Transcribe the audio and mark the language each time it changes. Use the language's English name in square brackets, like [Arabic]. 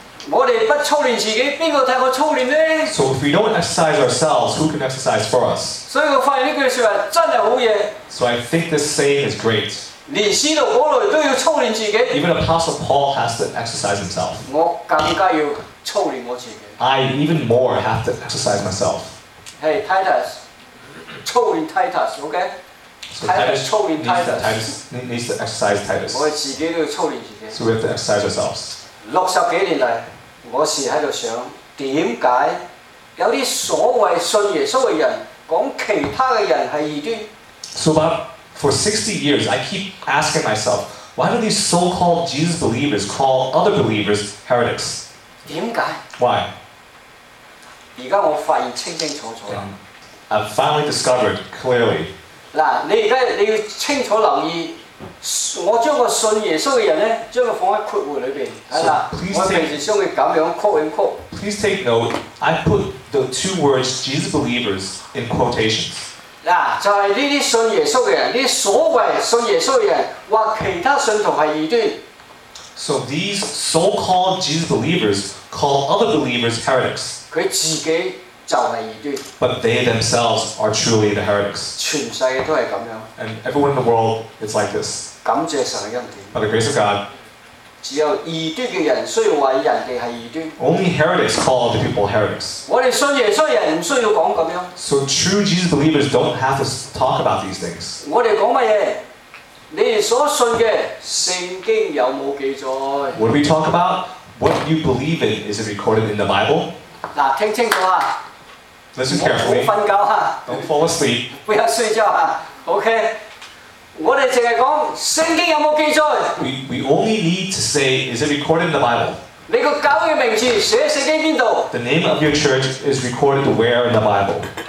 [Cantonese] 我哋不操練自己，邊個替我操練呢？ [English] So if we don't exercise ourselves, who can exercise for us? [Cantonese] 所以我發現呢句説話真係好嘢。 [English] So I think this saying is great. [Cantonese] 連使徒保羅都要操練自己。 [English] Even Apostle Paul has to exercise himself. [Cantonese] 我更加要。 [English] I even more have to exercise myself. Hey, Titus. Chowing Titus, okay? So Titus needs to exercise Titus. So we have to exercise ourselves. [Cantonese] 60多年来, 我时在想,點解有啲所謂信耶穌嘅人講其他嘅人係異端 [English] ？So about for 60 years, I keep asking myself, why do these so-called Jesus believers call other believers heretics? [Cantonese] 點解 [English] ？Why？ [Cantonese] 而家我發現清清楚楚啦。 [English] I've finally discovered clearly. [Cantonese] 嗱，你而家你要清楚留意。我將個信耶穌嘅人咧，將佢放喺括弧裏邊，係啦。我平時將佢咁樣括一括。 [English] Please take note. I put the two words Jesus believers in quotations. [Cantonese] 嗱，就係呢啲信耶穌嘅人，呢啲所謂信耶穌嘅人，話其他信徒係異端。 [English] So these so-called Jesus believers call other believers heretics. [Cantonese] 佢自己就係異端。 [English] But they themselves are truly the heretics. [Cantonese] 全世界都係咁樣。 [English] And everyone in the world is like this. [Cantonese] 感謝神嘅恩典。 [English] By the grace of God. [Cantonese] 只有異端嘅人需要話人哋係異端。 [English] Only heretics call the people heretics. [Cantonese] 我哋信耶穌人唔需要講咁樣。 [English] So true Jesus believers don't have to talk about these things. [Cantonese] 我哋講乜嘢？你哋所信嘅聖經有冇記載 [English] ？What do we talk about? What you believe in is it recorded in the Bible? [Cantonese] 嗱，聽清楚啊！ [English] Listen carefully. [Cantonese] 唔好瞓覺啊 [English] ！Don't fall asleep. [Cantonese] 不要睡覺啊 ！OK， 我哋淨係講聖經有冇記載 [English] ？We only need to say is it recorded in the Bible. [Cantonese] 你個教會嘅名字寫聖經邊度 [English] ？The name of your church is recorded where in the Bible.